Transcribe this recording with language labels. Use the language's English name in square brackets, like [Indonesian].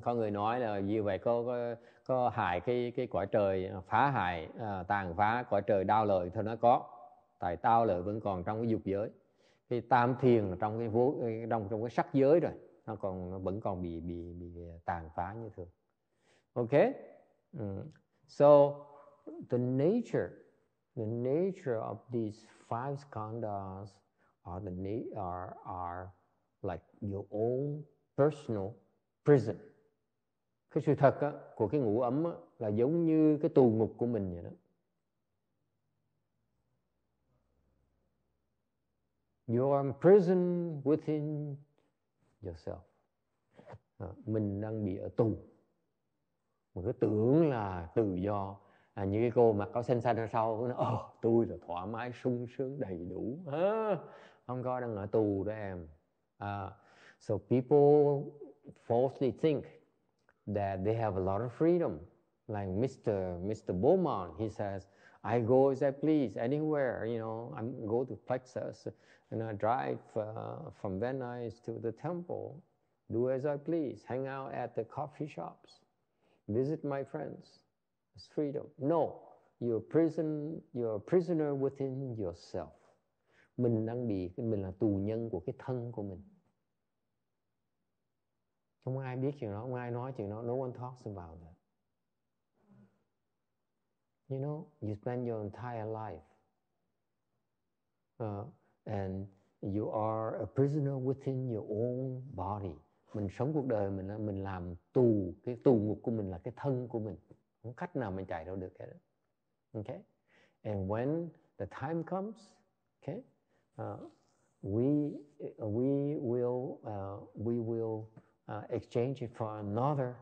[Vietnamese] Có người nói là như vậy có hại cái quả trời, phá hại tàn phá quả trời đau lợi thì nó có. Tại đau lợi vẫn còn trong cái dục giới. Cái tam thiền trong cái trong cái sắc giới rồi, nó vẫn còn bị tàn phá như thường. [English] Okay. So the nature of these five skandhas are like your own personal prison. [Vietnamese] Cái sự thật á, của cái ngũ ấm á, là giống như cái tù ngục của mình vậy đó. [English] You are in prison within yourself. [Vietnamese] À, mình đang bị ở tù. Mình cứ tưởng là tự do. À, như cái cô mặc áo xanh ở sau, nói, tôi là thoải mái, sung sướng, đầy đủ. À, không có, đang ở tù đó em. [English] So people falsely think that they have a lot of freedom. Like Mr. Beaumont, he says, I go as I please, anywhere, you know, I go to Plexus, and I drive from Van Nuys to the temple, do as I please, hang out at the coffee shops, visit my friends. It's freedom. No, you're a prisoner within yourself. [Vietnamese] Mình là tù nhân của cái thân của mình. Không ai biết chuyện đó, không ai nói chuyện đó. [English] No one talks about it. You know, you spend your entire life. And you are a prisoner within your own body. [Vietnamese] Mình sống cuộc đời mình làm tù. Cái tù ngục của mình là cái thân của mình. Không cách nào mình chạy đâu được hết. [English] Okay? And when the time comes, okay? We will exchange it for another.